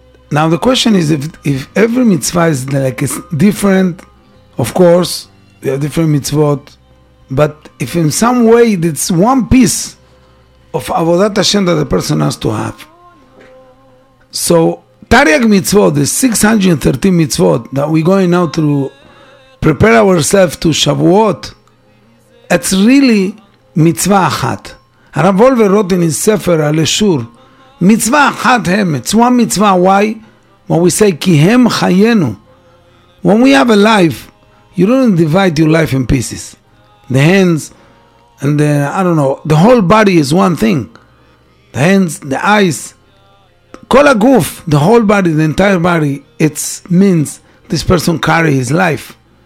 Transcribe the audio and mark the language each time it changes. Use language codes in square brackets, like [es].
[en] Now the question is, if every mitzvah is like is different, of course we have different mitzvot, but if in some way it's one piece of avodat Hashem that the person has to have. So tariag mitzvot, the 613 mitzvot that we're going now to prepare ourselves to Shavuot, it's really [he] מצווה אחת. הרב וולבר [en] wrote in his [he] ספר על אשור, מצווה אחת הם, [en] it's one [he] מצווה, why? [en] When we say, [he] כי הם חיינו. [en] When we have a life, you don't divide your life in pieces. The hands, and the, I don't know, the whole body is one thing. The hands, the eyes, [he] כל הגוף, [en] the whole body, the entire body, it means this person carry his life.